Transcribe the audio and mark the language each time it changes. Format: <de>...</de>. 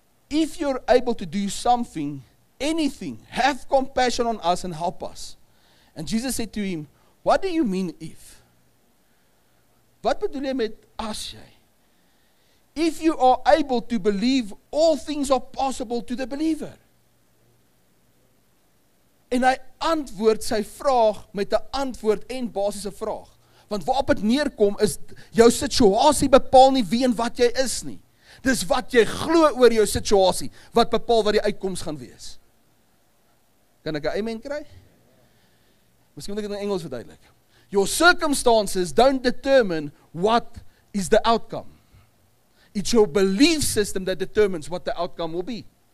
<en>If you're able to do something, anything, have compassion on us and help us. And Jesus said to him, what do you mean if?</en> <af>Wat bedoel jy met as jy?</af> <en>If you are able to believe, all things are possible to the believer.</en> <af>En hy antwoord sy vraag met 'n antwoord en basiese vraag. Want waarop het neerkom is, jou situasie bepaal nie wie en wat jy is nie. Dis wat jy glo oor jou situasie, wat bepaal wat die uitkoms gaan wees. Kan ek 'n amen kry? Miskien moet ek dit in Engels verduidelik.</af> <en>Your circumstances don't determine what is the outcome. It's your belief system that determines what the outcome will be.</en>